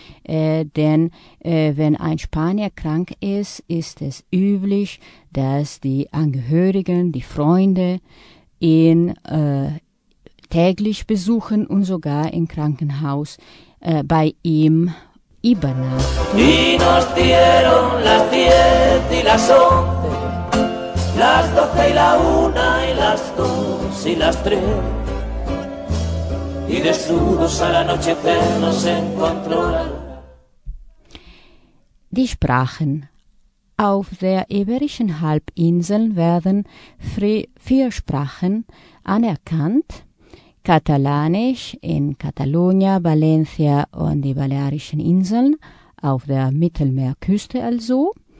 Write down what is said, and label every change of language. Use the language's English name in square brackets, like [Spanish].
[German] Denn wenn ein Spanier krank ist, ist es üblich, dass die Angehörigen, die Freunde ihn täglich besuchen und sogar im Krankenhaus bei ihm übernachten. [Spanish] Las 12 y la 1 y las 2 y las 3 y desnudos al anochecer nos encontró. [German] Die Sprachen. Auf der Iberischen Halbinsel werden vier Sprachen anerkannt. Katalanisch in Katalonien, Valencia und die Balearischen Inseln auf der Mittelmeerküste also.